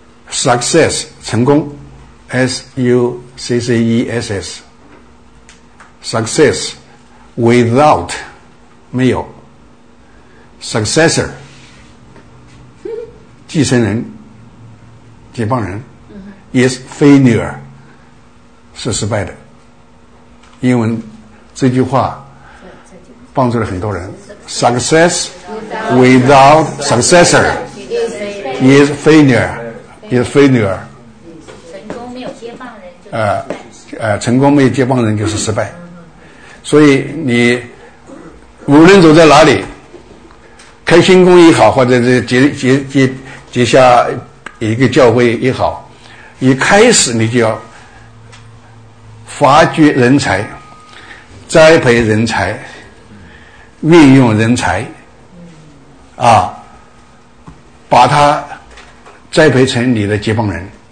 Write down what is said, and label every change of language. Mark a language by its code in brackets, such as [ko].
[en] ，Success [zh] 成功 [en] S-U-C-C-E-S-S Success without [zh] 没有 [en] Successor [zh] 继承人接棒人 [en] Is failure [zh] 是失败的。英文这句话帮助了很多人。 [en] Success without successor is failure， [zh] 也是非女儿，成功没有接棒人就是，成功没有接棒人就是失败。所以你无论走在哪里，开心工也好，或者是结下一个教会也好，一开始你就要发掘人才，栽培人才，运用人才啊，把它栽培成你的接棒人。